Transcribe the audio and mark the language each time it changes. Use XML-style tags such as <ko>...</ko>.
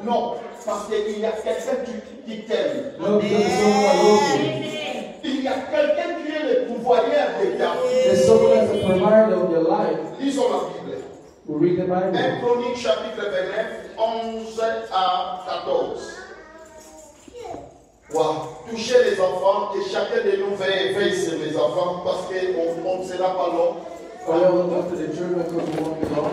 <fr>No, parce qu'il y a quelqu'un qui t'aime.</fr> <en>No, because someone loves you.</en> <fr>Il y a quelqu'un qui est le pouvoir de ta vie.</fr> <en>There's someone that's a provider of your life.</en> <fr>Lisons la Bible.</fr> <en>We read the Bible.</en> <fr>1 Chronique chapitre 29, 11 à 14. Wow. Touchez les enfants, que chacun de nous veille sur les enfants, parce qu'on ne sera pas long.</fr> <en>Oh, yeah, look after the children because we won't be long.</en>